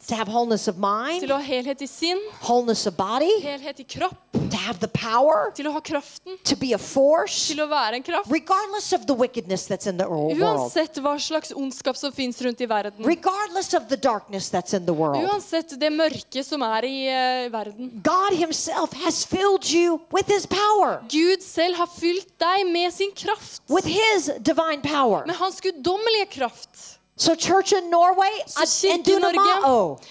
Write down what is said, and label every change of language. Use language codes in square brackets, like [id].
[en] To have wholeness of mind. [no] Til å ha helhet i sinn. [en] Wholeness of body. [no] Helhet i kropp. [en] To have the power. [no] Til å ha kraften. [en] To be a force. [no] Til å være en kraft. [en] Regardless of the wickedness that's in the world. [no] Uansett hva slags ondskap som finnes rundt i verden. [en] Regardless of the darkness that's in the world. [no] Uansett det mørke som i verden. [en] God himself has filled you with his power. [no] Gud selv har fylt deg med sin kraft. [en] With his divine power. [no] Med hans guddommelige kraft. [en] So church in Norway, endunomao.